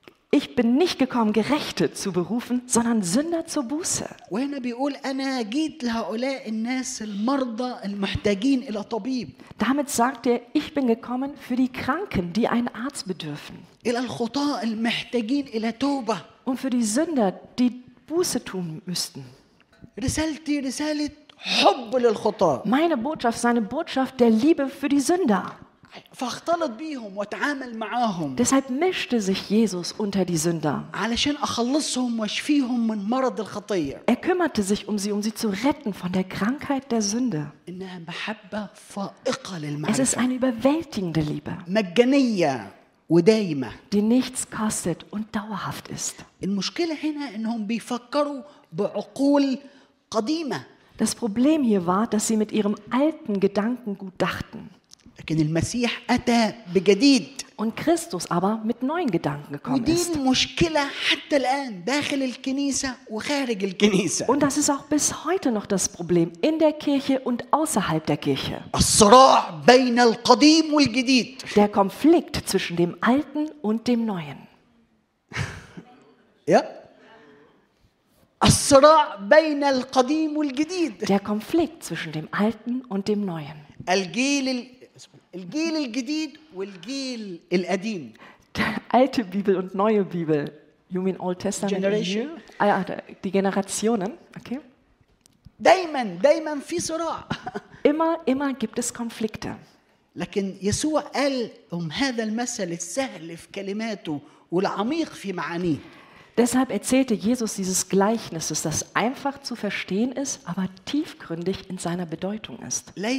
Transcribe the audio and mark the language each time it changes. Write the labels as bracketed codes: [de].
[de] Ich bin nicht gekommen, Gerechte zu berufen, sondern Sünder zur Buße. [ar] وهنا بيقول أنا جيت لهؤلاء الناس المرضى المحتاجين إلى طبيب. [de] Damit sagt er, ich bin gekommen für die Kranken, die einen Arzt bedürfen. [ar] إلى الخطاة المحتاجين إلى توبة. [de] Und für die Sünder, die Buße tun müssten. [ar] رسالتي رسالة حب للخطاة. [de] Meine Botschaft, seine Botschaft der Liebe für die Sünder. [ar] فاختلط بيهم وتعامل معاهم. [de] Deshalb mischte sich Jesus unter die Sünder. [ar] علشان أخلصهم وأشفيهم من مرض الخطية. [de] Er kümmerte sich um sie zu retten von der Krankheit der Sünde. [ar] إنها محبة فائقة للمعرفة. [de] Es ist eine überwältigende Liebe. [ar] مجانية ودائمة. [de] Die nichts kostet und dauerhaft ist. [ar] المشكلة هنا إنهم بيفكروا بعقول قديمة. [de] Das Problem hier war, dass sie mit ihrem alten Gedankengut dachten. [ar] لكن المسيح أتى بجديد. [de] Und Christus aber mit neuen Gedanken gekommen ist. [ar] مشكلة حتى الآن داخل الكنيسة وخارج الكنيسة. [de] Und das ist auch bis heute noch das Problem in der Kirche und außerhalb der Kirche. [ar] الصراع بين القديم والجديد. [de] Der Konflikt zwischen dem Alten und dem Neuen. Ja. [ar] الصراع بين القديم والجديد. [de] Der Konflikt zwischen dem Alten und dem Neuen. [ar] الجيل الجديد والجيل القديم. [de] Alte Bibel und neue Bibel. [en] You mean Old Testament? Generation. [de] Ah ja, die Generationen. Okay. [ar] دايما في صراع. [de] Immer gibt es Konflikte. [ar] لكن يسوع قال هذا المثل السهل في كلماته والعميق في معانيه. [de] Deshalb erzählte Jesus dieses Gleichnisses, das einfach zu verstehen ist, aber tiefgründig in seiner Bedeutung ist.